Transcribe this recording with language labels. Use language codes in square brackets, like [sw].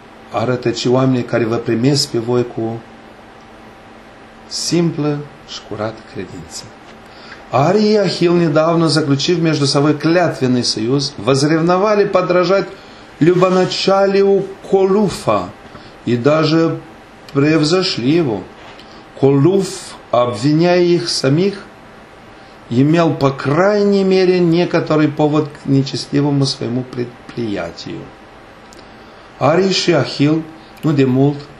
[ro] arată ce oameni care vă primesc pe voi cu simplă și curată credință. [ru] Ari Ахил недавно заключив между собой клятвенный союз, возревновали подражать любоначалию Колуфа и даже превзошли его. Колуф, обвиняя их самих, имел по крайней мере некоторый повод к нечестивому своему предприятию. [ro] Ари и Ахил, ну де мулт,